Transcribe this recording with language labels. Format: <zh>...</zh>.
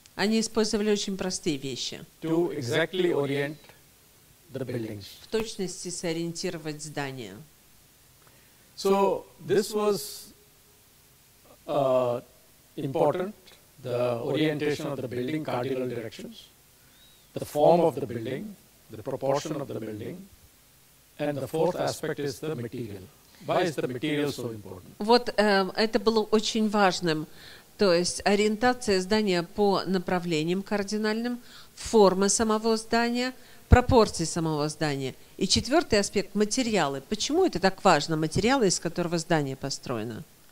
<ru>Они использовали очень простые вещи.</ru> <en>To exactly orient the buildings.</en> <ru>В точности сориентировать здания.</ru> <en>So this was important, the orientation of the building, cardinal directions, the form of the building, the proportion of the building, and the fourth aspect is the material. Why is the material so important?</en> <ru>Вот это было очень важным. То есть ориентация здания по направлениям кардинальным, формы самого здания, пропорции самого здания. И четвертый аспект – материалы. Почему это так важно, материалы, из которого здание построено?</ru>